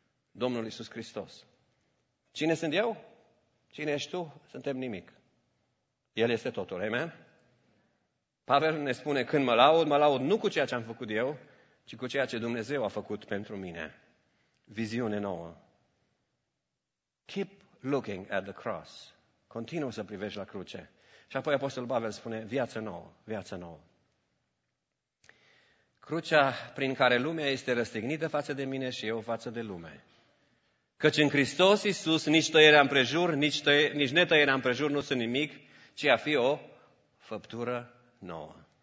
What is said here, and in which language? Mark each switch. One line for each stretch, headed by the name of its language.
Romanian: Domnul Iisus Hristos. Cine sunt eu? Cine ești tu? Suntem nimic. El este totul. Amen? Pavel ne spune, când mă laud, mă laud nu cu ceea ce am făcut eu, ci cu ceea ce Dumnezeu a făcut pentru mine. Viziune nouă.
English: Keep looking at the cross.
Romanian: Continuă să privești la cruce. Și apoi Apostolul Pavel spune, viață nouă, viață nouă. Crucea prin care lumea este răstignită față de mine și eu față de lume. Căci în Hristos Iisus nici tăierea împrejur, nici netăierea împrejur nu sunt nimic, ci a fi o făptură nouă.